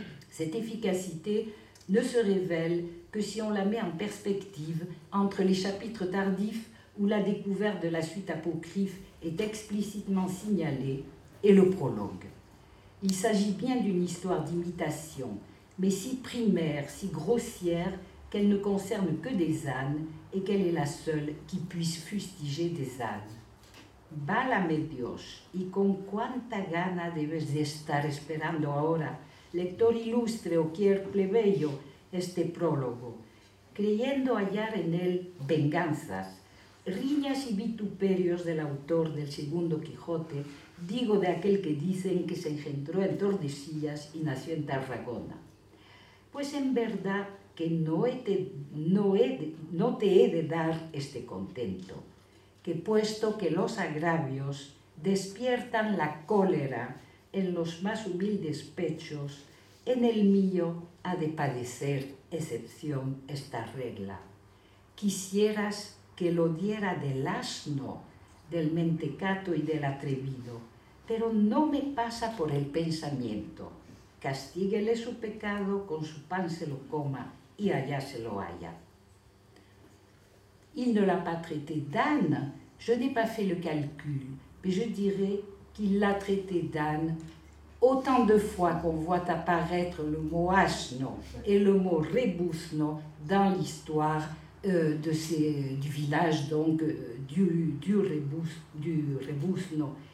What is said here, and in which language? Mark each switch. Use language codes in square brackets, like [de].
[fr] Cette efficacité ne se révèle que si on la met en perspective entre les chapitres tardifs où la découverte de la suite apocryphe est explicitement signalée et le prologue. Il s'agit bien d'une histoire d'imitation, mais si primaire, si grossière, qu'elle ne concerne que des ânes et qu'elle est la seule qui puisse fustiger des ânes. [es] Válame Dios, y con cuánta gana debes de estar esperando ahora, lector ilustre o quier plebeyo, este prólogo, creyendo hallar en él venganzas, riñas y vituperios del autor del segundo Quijote, digo de aquel que dicen que se engendró en Tordesillas y nació en Tarragona. Pues en verdad que no te he de dar este contento, que puesto que los agravios despiertan la cólera en los más humildes pechos, en el mío ha de padecer excepción esta regla. Quisieras que lo diera del asno, del mentecato y del atrevido, pero no me pasa por el pensamiento. Castíguele su pecado, con su pan se lo coma y allá se lo haya. [fr] Il ne l'a pas traité d'âne, je n'ai pas fait le calcul, mais je dirais qu'il l'a traité d'âne autant de fois qu'on voit apparaître le mot asno et le mot rebuzno dans l'histoire du village donc du rebuzno.